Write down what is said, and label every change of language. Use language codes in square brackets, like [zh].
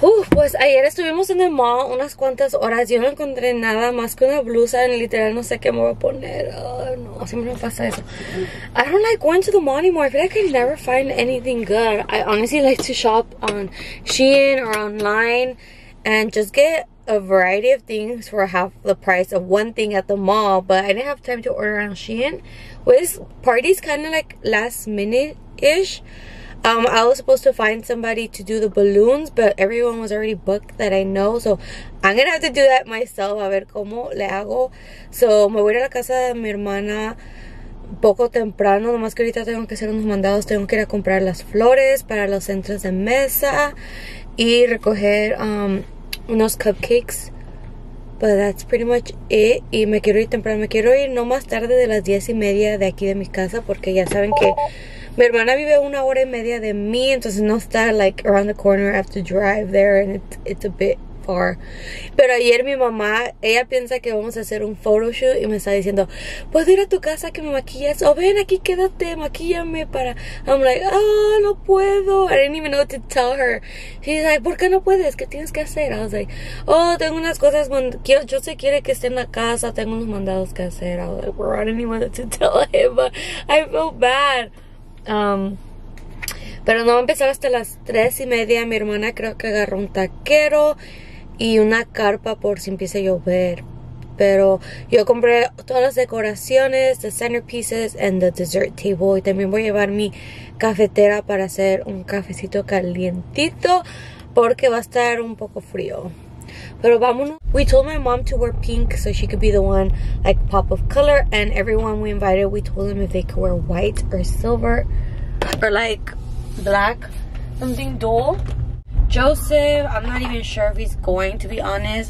[es] Pues ayer estuvimos en el mall unas cuantas horas. Yo no encontré nada más que una blusa. En literal, no sé qué me voy a poner. Oh, no. Siempre me pasa eso. [en] I don't like going to the mall anymore. I feel like I never find anything good. I honestly like to shop on Shein or online. And just get a variety of things for half the price of one thing at the mall. But I didn't have time to order on Shein. Well, this party's kind of like last minute-ish. I was supposed to find somebody to do the balloons, but everyone was already booked that I know. So, I'm going to have to do that myself. [es] A ver cómo le hago. So, me voy a la casa de mi hermana poco temprano. Nomás que ahorita tengo que hacer unos mandados. Tengo que ir a comprar las flores para los centros de mesa. Y recoger unos cupcakes. [en] But that's pretty much it. [es] Y me quiero ir temprano. Me quiero ir no más tarde de las 10:30 de aquí de mi casa. Porque ya saben que mi hermana vive una hora y media de mí, entonces no está [en] like around the corner. I have to drive there and it's a bit far. [es] Pero ayer mi mamá, ella piensa que vamos a hacer un photoshoot y me está diciendo, ¿puedo ir a tu casa que me maquillas? O ven aquí, quédate, maquíllame para... [en] I'm like, oh, [es] no puedo. [en] I didn't even know what to tell her. She's like, [es] ¿por qué no puedes? ¿Qué tienes que hacer? [en] I was like, oh, [es] tengo unas cosas, yo sé quiere que esté en la casa, tengo unos mandados que hacer. [en] I was like, bro, I didn't even know what to tell him, but I felt bad. [es] Pero no va a empezar hasta las 3:30. Mi hermana creo que agarró un taquero y una carpa por si empieza a llover. Pero yo compré todas las decoraciones, [en] the centerpieces and the dessert table. [es] Y también voy a llevar mi cafetera para hacer un cafecito calientito porque va a estar un poco frío. Pero vámonos. [en] We told my mom to wear pink so she could be the one like pop of color, and everyone we invited, we told them if they could wear white or silver or like black, something dual. Joseph, I'm not even sure if he's going, to be honest.